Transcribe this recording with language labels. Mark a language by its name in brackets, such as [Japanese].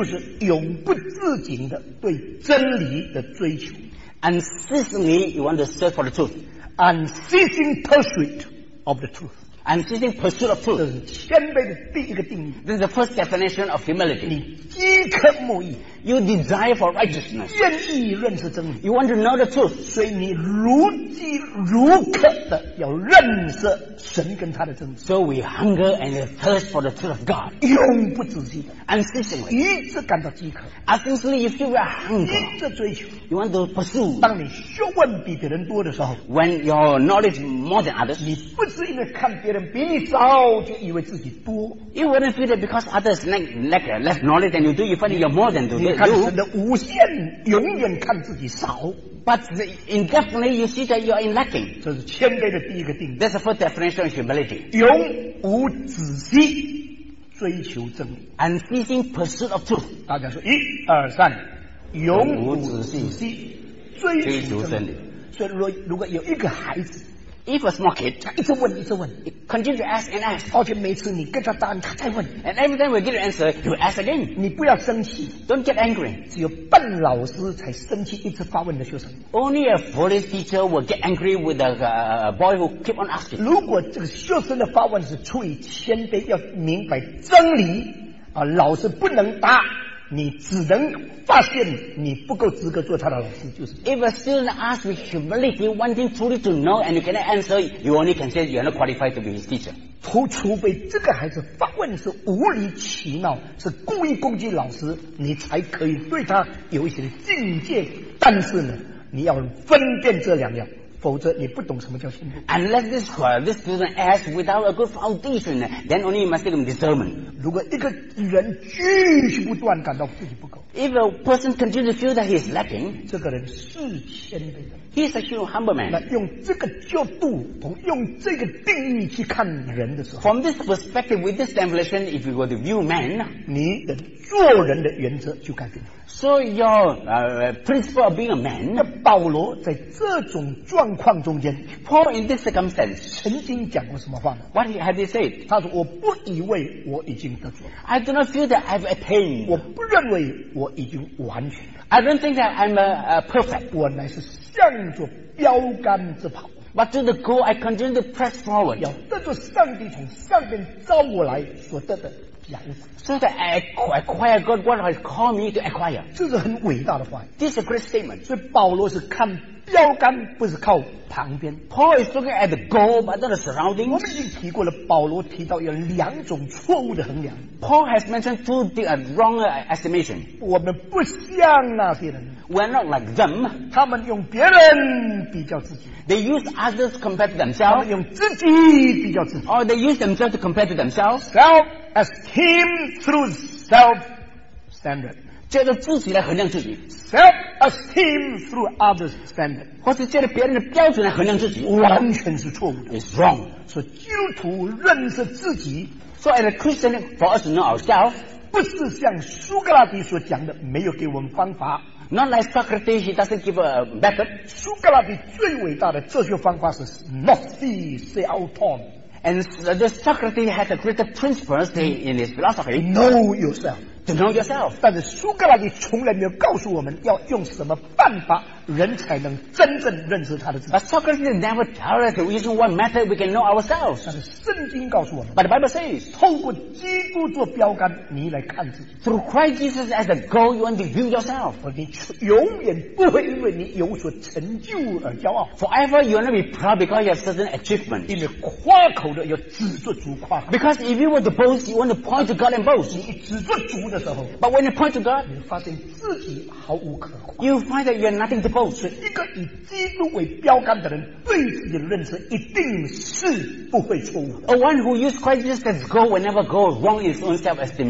[Chinese] 就是永不自禁的对真理的追求。 [English] Unceasingly you want to search for the truth. Unceasing pursuit of the truth. And seeking pursuit of truth. [Chinese] 这是谦卑的第一个定义。 [English] This is the first definition of humility. [Chinese] 你饥渴慕义。 [English] You desire for righteousness. [Chinese] 愿意认识真理。 [English] You want to know the truth. [Chinese] 所以你如饥如渴的要认识神跟他的真理。 [English] So we hunger and thirst for the truth of God. [Chinese] 永不止息的。 [English] Unceasingly. [Chinese] 一直感到饥渴。 [English] Unceasingly you feel hunger. [Chinese] 一直追求。 [English] You want to pursue. [Chinese] 当你学问比别人多的时候。 [English] When your knowledge more than others. [Chinese] 你不是因为看别人比你少就以为自己多。 [English] You wouldn't feel that because others lack less knowledge than you do, you find you're more than you do. [Chinese] 你看神的无限永远看自己少。 [English] But indefinitely you see that you're in lacking. [Chinese] 这是谦卑的第一个定义。 [English] That's the first definition of humility. [Chinese] 永无止息追求真理。 [English] Unceasing pursuit of truth. [Chinese] 大家说一二三。永无止息追求真理。所以如果有一个孩子 [English] If a small kid, [Chinese] 他一直问，一直问 [English] ，continue to ask and ask， [Chinese] 而且每次你跟他答案，他再问 [English] ，and every time we get an answer， you ask again， [Chinese] 你不要生气 [English] ，don't get angry， [Chinese] 只有笨老师才生气，一直发问的学生 [English] ，only a foolish teacher will get angry with a boy who keep on asking。 [Chinese] 如果这个学生的发问是出于谦卑，要明白真理，啊，老师不能答。你只能发现你不够资格做他的老师，就是。 [English] If a student asks with humility, wanting truly to know, and you cannot answer, you only can say you are not qualified to be his teacher. [Chinese] 除非这个孩子发问是无理取闹，是故意攻击老师，你才可以对他有一些境界。但是呢，你要分辨这两样。否则你不懂什么叫信任。 [English] Unless this student asks without a good foundation, then only you must take discernment. [Chinese] 如果一个人继续不断感到自己不够 [English] ，If a person continues to feel that he is lacking, [Chinese] 这个人是谦卑的。 [English] He is a true humble man. [Chinese] 那用这个角度，用这个定义去看人的时候 [English] ，From this perspective, with this definition, if you were to view man, [Chinese] 你的做人的原则就改变了。 [English] So your principle of being a man. [Chinese] 那保罗在这种状况中间 [English] ，Paul in this circumstance [Chinese] 曾经讲过什么话呢 [English] ？What have he said？ [Chinese] 他说：“我不以为我已经得着。 [English] ”I do not feel that I've attained. [Chinese] 我不认为我已经完全了。 [English] I don't think that I'm a perfect. [Chinese] 我乃是向着标杆直跑。 [English] But to the goal, I continue to press forward. [Chinese] 要得着上帝从上边召我来所得的。 [English] So that I acquire God, what has called me to acquire? [Chinese] 这是很伟大的话。 [English] This is a great statement. [Chinese] 所以保罗是看标杆，不是靠旁边。 [English] Paul is looking at the goal, but not the surroundings. [Chinese] 我们已经提过了，保罗提到有两种错误的衡量。 [English] Paul has mentioned two different wrong estimation. [Chinese] 我们不像那些人。 [English] We're not like them. [Chinese] 他们用别人比较自己。 [English] They use others compared to themselves. [Chinese] 他们用自己比较自己。 [English] Or they use themselves to compare to themselves. Self-esteem through self-standard. [Chinese] 借着自己来衡量自己。 [English] Self-esteem through others' standard. [Chinese] 或是借着别人的标准来衡量自己。完全是错误的。 [English] It's wrong. [Chinese] 所以基督徒认识自己。 [English] So as a Christian, for us to know ourselves, [Chinese] 不是像苏格拉底所讲的，没有给我们方法。 [English] Not like Socrates, he doesn't give a method. [Chinese] 苏格拉底最伟大的哲学方法是 Nosi Seauton. [English] And the Socrates has a great principle in his philosophy. Know yourself. To know yourself. [Chinese] 但是苏格拉底从来没有告诉我们要用什么办法人才能真正认识他的自己。 [English] But Socrates never tell us using what method we can know ourselves. [Chinese] 但是圣经告诉我们。 [English] But the Bible says, [Chinese] 透过基督做标杆，你来看自己。 [English] Through Christ Jesus as a goal, you want to view yourself. [Chinese] 你永远不会因为你有所成就而骄傲。 [English] Forever, you want to be proud because you have certain achievement. [Chinese] 因为夸口的要指着主夸。 [English] Because if you want to boast, you want to point to God and boast. [Chinese] 你指着主的时候。 [English] But when you point to God, [Chinese] 你发现自己毫无可夸。 [English] You find that you are nothing to boast. [Chinese] 所以一个以基督为标杆的人对自己的认识一定是不会错误的。 [English] A one who used Christ Jesus as goal will never go wrong in his own self-estimation.